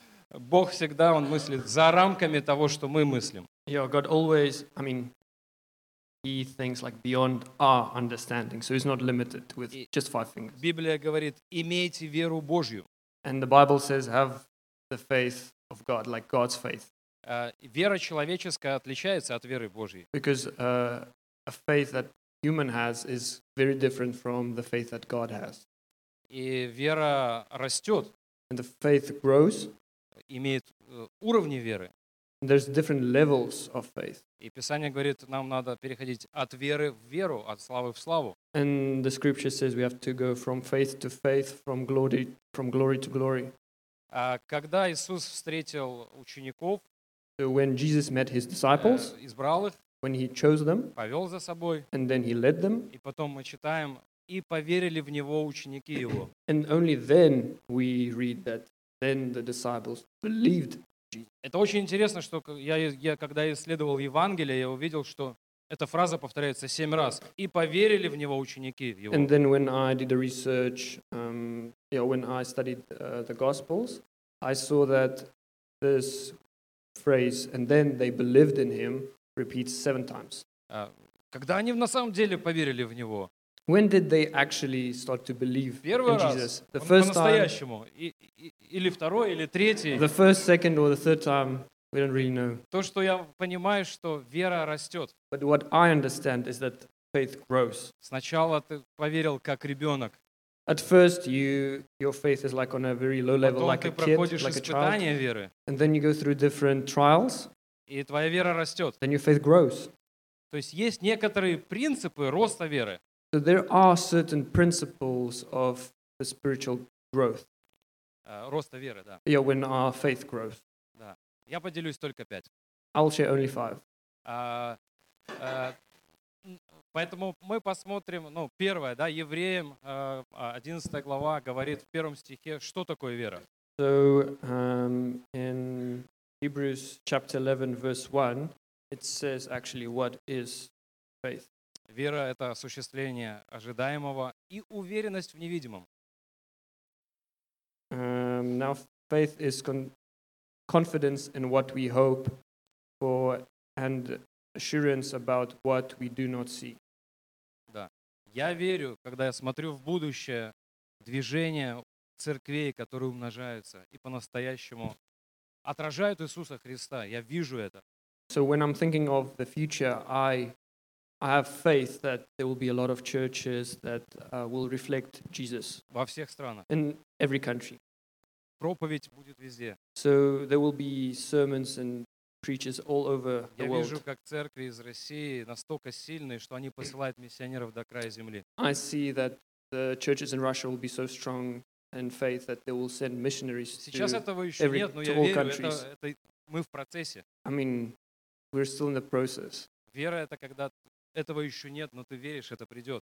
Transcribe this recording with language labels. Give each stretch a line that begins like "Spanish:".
Russian: Бог всегда, Он мыслит за рамками того, что мы мыслим.
English: Yeah, God always, I mean, He thinks like beyond our understanding, so He's not limited with just 5 fingers.
Russian: Библия говорит, имейте веру Божью.
English: And the Bible says, have the faith of God, like God's faith.
Russian: Вера человеческая отличается от веры Божьей.
English: Because a faith that human has is very different from the faith that God has.
Russian: И вера растет.
English: And the faith grows.
Russian: Имеет уровни веры.
English: And there's different levels of faith.
Russian: И Писание говорит, нам надо переходить от веры в веру, от славы в славу.
English: And the scripture says we have to go from faith to faith, from glory to glory.
Russian: Когда Иисус встретил учеников,
English: so when Jesus met his disciples,
Russian: избрал их,
English: when he chose them,
Russian: повел за собой,
English: and then he led them,
Russian: и потом мы читаем, и поверили в него ученики его.
English: And only then we read that then the disciples believed Jesus.
Russian: Это очень интересно, что я когда исследовал Евангелие, я увидел, что эта фраза повторяется 7 раз. И поверили в него ученики его.
English: And then when I did the research, when I studied the Gospels, I saw that this phrase, and then they believed in him, repeats 7 times.
Russian: Когда они на самом деле поверили в него?
English: When did they actually start to believe
Russian: Первый
English: in Jesus? The first
Russian: по-настоящему.
English: Time.
Russian: Или второй, или третий.
English: The first, second, or the third time, we don't really know.
Russian: То, что я понимаю, что вера растет.
English: But what I understand is that faith grows.
Russian: Сначала ты поверил как ребенок.
English: At first, your faith is like on a very low level, like a kid, like a child.
Russian: Веры.
English: And then you go through different trials.
Russian: И твоя вера растет.
English: Then your faith grows.
Russian: То есть есть некоторые принципы роста веры.
English: So there are certain principles of the spiritual growth.
Russian: Роста веры, да.
English: Yeah, when our faith grows.
Russian: Да. Я поделюсь только пять.
English: I'll share only five.
Russian: Поэтому мы посмотрим, ну, первое, да, Евреям, 11 глава говорит в первом стихе, что такое вера.
English: So, in Hebrews chapter 11, verse 1, it says actually what is faith.
Russian: Вера — это осуществление ожидаемого и уверенность в невидимом.
English: Now, faith is confidence in what we hope for and assurance about what we do not see.
Russian: Да. Я верю, когда я смотрю в будущее, движение церквей, которые умножаются и по-настоящему отражают Иисуса Христа. Я вижу это.
English: So when I'm thinking of the future, I have faith that there will be a lot of churches that will reflect Jesus.
Russian: Во всех странах.
English: In every country.
Russian: Проповедь будет везде.
English: So there will be sermons and preachers all over the world.
Russian: Я вижу, как церкви из России настолько сильные, что они посылают миссионеров до края земли.
English: I see that the churches in Russia will be so strong in faith that they will send missionaries to
Russian: Сейчас этого еще
English: every,
Russian: нет, но я верю, это мы в процессе.
English: I mean, we're still in the process.
Russian: Вера — это когда этого еще нет, но ты веришь, это придет.